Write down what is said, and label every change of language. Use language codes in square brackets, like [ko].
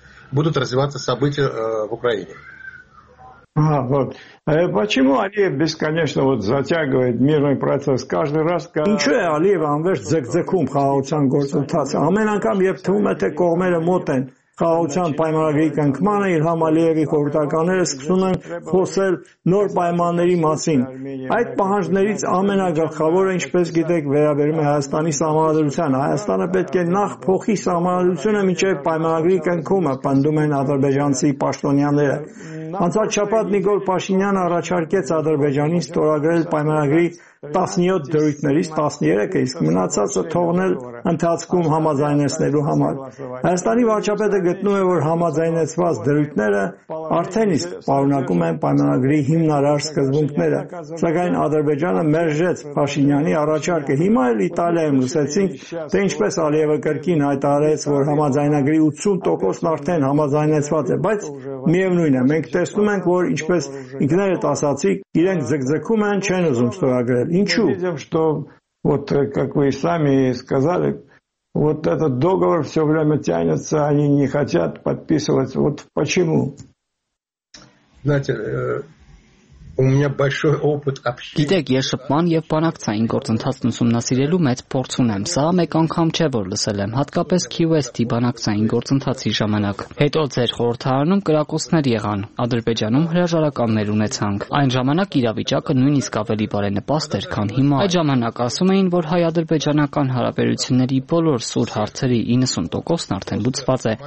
[ru] Будут развиваться события в Украине. А вот почему Алиев бесконечно вот затягивает мирный процесс каждый раз, когда [hy] Ничего, Алиев анверс зэгзэкум хаоцан горцутас. Амен анкам երբ թվում է թե կողմերը մոտ են խաղաղության պայմանագրի կնքմանը, իր համալիևի խորհրդականները սկսում են խոսել նոր պայմանների մասին։ Այդ պահանջներից ամենագլխավորը, ինչպես գիտեք, վերաբերում է Հայաստանի սահմանադրությանը։ Հայաստանը պետք է նախ փոխի սահմանադրությունը մինչև պայմանագրի կնքումը, պնդում են ադրբեջանցի պաշտոնյաները։ Անցած շաբաթ Նիկոլ Փաշինյանը առաջարկեց Ադրբեջանին ստորագրել պայմանագրի 17 դրույթներից 13-ը, իսկ մնացածը թողնել ընթացքում համաձայնեցնելու համար։ Հայաստանի վարչապետը գտնում է, որ համաձայնեցված դրույթները արդեն իսկ պարունակում են պայմանագրի հիմնարար սկզբունքները, սակայն Ադրբեջանը մերժեց Փաշինյանի առաջարկը։ Հիմա էլ Իտալիայում լսեցինք, թե ինչպես Ալիևը կրկին հայտարարեց, որ համաձայնագրի 80%-ն արդեն համաձայնեցված է, բայց միևնույն է, մենք տեսնում ենք, որ ինչպես ինքները ասացի, իրենք ձգձգում են, չեն ուզում ստորագրել։ Ինչու? [ru] Видим, что вот как вы сами сказали, вот этот договор всё время тянется, они не хотят подписывать. Вот почему? Знаете, [hy] Գիտեք, ես շփման և բանակցային գործընթացն ուսումնասիրելու մեծ փորձ ունեմ։ Սա մեկ անգամ չէ, որ լսել եմ, հատկապես QST բանակցային գործընթացի ժամանակ։ Հետո ձեր խորհրդարանում կրակոցներ եղան, Ադրբեջանում հրաժարականներ ունեցանք։ Այն ժամանակ իրավիճակը նույնիսկ ավելի բարենպաստ էր, քան հիմա։ Այդ ժամանակ ասում էին, որ հայ-ադրբեջանական հարաբերությունների բոլոր սուր հարցերի 90%-ն արդեն լուծված է։